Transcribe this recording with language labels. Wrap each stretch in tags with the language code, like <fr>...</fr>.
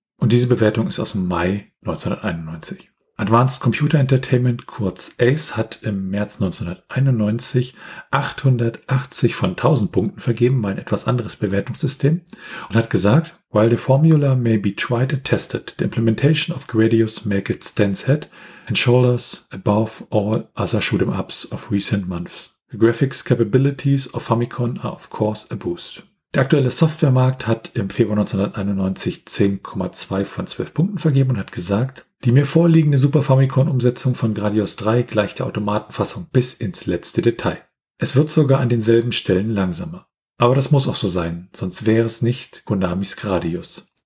<de>Und diese Bewertung ist aus dem Mai 1991. Advanced Computer Entertainment, kurz ACE, hat im März 1991 880 von 1000 Punkten vergeben, mal ein etwas anderes Bewertungssystem, und hat gesagt,</de> <en>while the formula may be tried and tested, the implementation of Gradius make it stands head and shoulders above all other shoot-em-ups of recent months. The graphics capabilities of Famicom are of course a boost.</en> <de>Der aktuelle Softwaremarkt hat im Februar 1991 10,2 von 12 Punkten vergeben und hat gesagt, die mir vorliegende Super Famicom-Umsetzung von Gradius 3 gleicht der Automatenfassung bis ins letzte Detail. Es wird sogar an denselben Stellen langsamer. Aber das muss auch so sein, sonst wäre es nicht Konamis Gradius.</de>